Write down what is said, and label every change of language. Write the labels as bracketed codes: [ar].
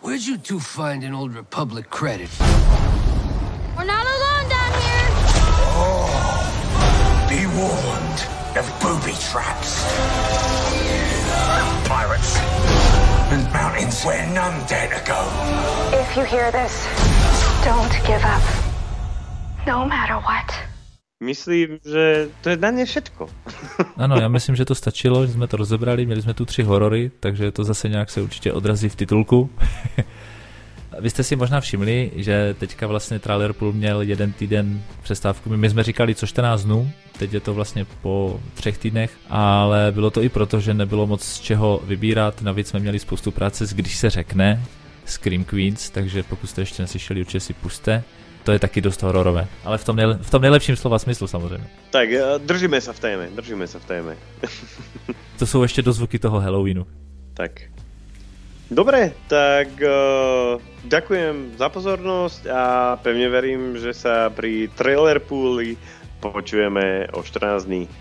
[en] Where'd you two find an old Republic credit? We're not alone down here. Be warned, there are booby traps, pirates, and mountains where none dare to go. If you hear this, don't give up. No matter what. [cs] Myslím, že to je na ně všetko. Ano, já myslím, že to stačilo, že jsme to rozebrali, měli jsme tu 3 horory, takže to zase nějak se určitě odrazí v titulku. Vy jste si možná všimli, že teďka vlastně Trailerpool měl jeden týden přestávku. My jsme říkali co 14 dnů, teď je to vlastně po 3 týdnech, ale bylo to i proto, že nebylo moc z čeho vybírat, navíc jsme měli spoustu práce s Když se řekne, Scream Queens, takže pokud jste ještě neslyšeli, určitě si puste. To je taky dost hororové, ale v tom nejlepším slova smyslu samozřejmě. Tak držíme se v téme. To jsou ještě dozvuky toho Halloweenu. Tak. [sk] Dobre, tak ďakujem za pozornosť a pevne verím, že sa pri Trailer Pooli počujeme o 14 dní.